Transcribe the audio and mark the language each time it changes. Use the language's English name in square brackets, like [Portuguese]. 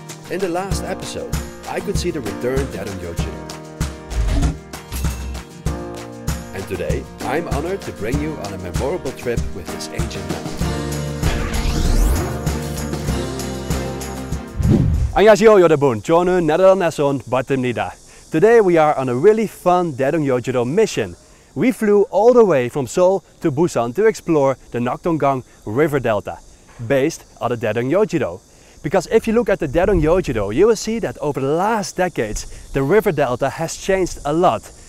[English] In the last episode, I could see the return Daedeum Yeojiro. And today, I'm honored to bring you on a memorable trip with this ancient man. [Korean] 안녕하세요 여러분, 저는 네덜란드에서 온 바트입니다. [English] Today we are on a really fun Daedeum Yeojiro mission. We flew all the way from Seoul to Busan to explore the Nakdonggang River Delta, based on the Daedeum Yeojiro. Because if you look at the Daedeum Yeojiro, you will see that over the last decades, the River Delta has changed a lot.